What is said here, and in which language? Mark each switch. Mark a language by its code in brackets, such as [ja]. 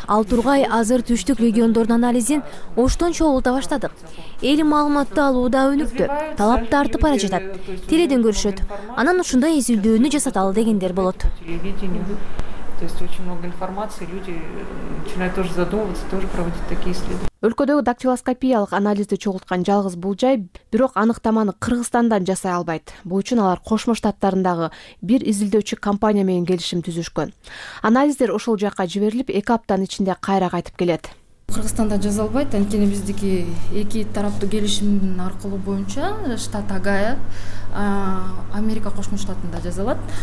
[ky] Ал тургай азыр түштүк региондордун анализин Оштон чогулта баштадык. Эл маалыматты алууда өнүктү, талапты артып бара жатат, теледен көрүшөт, анан ушундай изилдөөнү жасаталы дегендер болот. [ru] То есть очень много информации, люди начинают тоже задумываться, тоже проводить такие исследования. [ky] Өлкөдөгү дактилоскопиялык анализди чогулткан жалгыз бул жай, бирок аныктаманы Кыргызстандан жасай албайт. Бул үчүн алар Кошмо Штаттарындагы бир изилдөөчү компания менен келишим түзүшкөн. Анализдер ошол жакка жиберилип, эки аптанын ичинде кайра кайтып келет. Кыргызстанда жаза албайт, анткени биздики эки тараптуу келишим аркылуу боюнча штат Агая Америка Кошмо Штатында жаза алат.